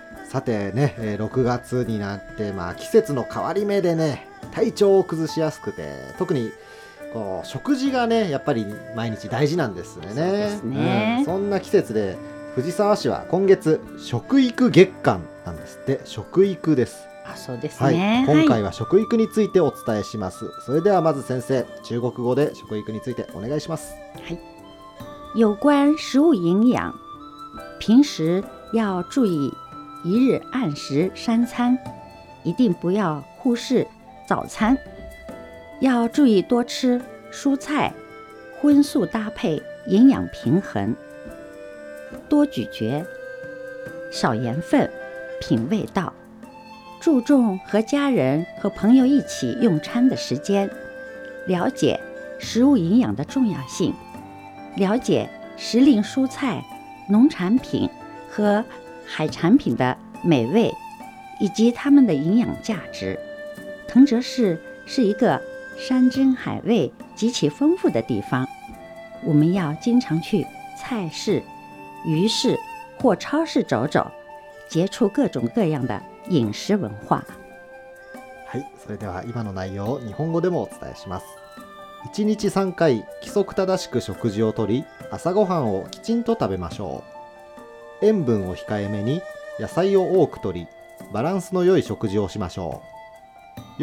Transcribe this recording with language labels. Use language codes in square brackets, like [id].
[ja] さてね、6月になって、まあ、季節の変わり目でね、体調を崩しやすくて、特にこう食事がね、やっぱり毎日大事なんですね。そうですね、うん、そんな季節で藤沢市は今月食育月間なんですって。食育です。あ、そうですね、はい、今回は食育についてお伝えします。はい、それではまず先生、中国語で食育についてお願いします。 [zh] はい、有关食物营养，平时要注意一日按时三餐，一定不要忽视早餐，要注意多吃蔬菜，荤素搭配，营养平衡，多咀嚼，少盐分，品味道，注重和家人和朋友一起用餐的时间，了解食物营养的重要性，了解时令蔬菜、农产品和海产品的美味以及它们的营养价值。藤泽市是一个山珍海味极其丰富的地方，我们要经常去菜市、鱼市或超市走走，接触各种各样的饮食文化。 [ja] はい、それでは今の内容を日本語でもお伝えします。1日3回規則正しく食事をとり、朝ごはんをきちんと食べましょう。塩分を控えめに、野菜を多くとり、バランスの良い食事をしましょう。